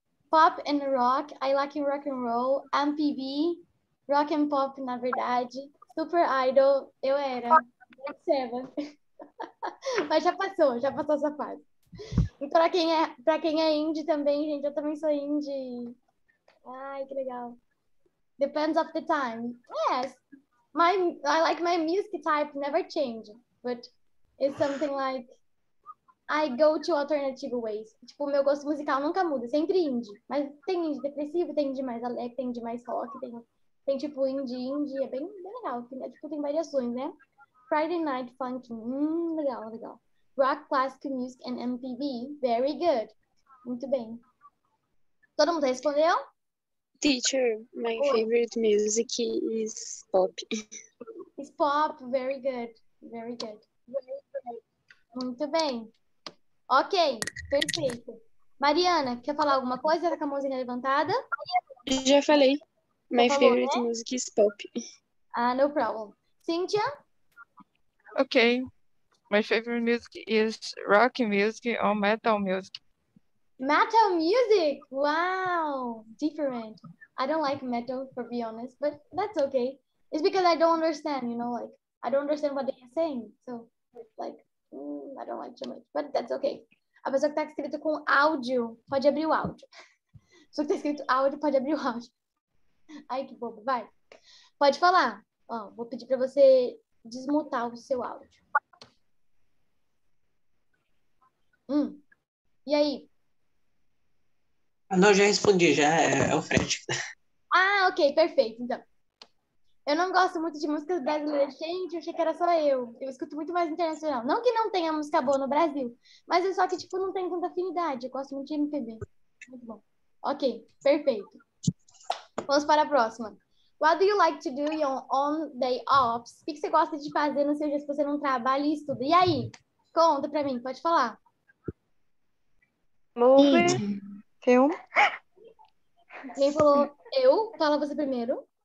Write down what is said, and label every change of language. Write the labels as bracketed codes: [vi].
[en] Pop and rock, I like rock and roll, MPB, rock and pop, [pt] na verdade, [en] super idol, [pt] eu era, mas já passou essa fase. E pra quem é indie também, gente, eu também sou indie. Ai, que legal. [en] Depends of the time. Yes, I like my music type, never change, but it's something like I go to alternative ways. [pt] Tipo, meu gosto musical nunca muda, sempre indie. Mas tem indie depressivo, tem indie mais alegre, tem indie mais rock, tem tipo indie, é bem legal. Tipo, tem variações, né? Friday Night Funk, legal. [en] Rock, Classic Music and MPB, very good. [pt] Muito bem. Todo mundo respondeu? [en] Teacher, my favorite music is pop. It's pop, very good. [pt] Muito bem. Ok, perfeito. Mariana, quer falar alguma coisa? Tá com a mãozinha levantada? Já falei. My favorite music is pop. [en] Ah, no problem. Cynthia? Ok. My favorite music is rock music or metal music. Metal music? Wow, different. I don't like metal, for be honest, but that's okay. It's because I don't understand, you know, like, I don't understand what they're saying. So, like, I don't like too much, but that's okay. [pt] A pessoa que tá escrito com áudio, pode abrir o áudio. Só que tá escrito áudio, pode abrir o áudio. Ai, que bobo, vai. Pode falar. Ó, vou pedir pra você desmutar o seu áudio. E aí? Não, já respondi, já é o Fred. Ah, ok, perfeito, então. Eu não gosto muito de músicas brasileiras, gente, eu achei que era só eu. Eu escuto muito mais internacional. Não que não tenha música boa no Brasil, mas é só que, tipo, não tem tanta afinidade. Eu gosto muito de MPB. Muito bom. Ok, perfeito. Vamos para a próxima. [en] What do you like to do your own day offs? [pt] O que você gosta de fazer no seu dia se você não trabalha e estuda? E aí? Conta pra mim, pode falar. [en] Movie. Filme. [pt] Quem falou? Eu? Fala você primeiro.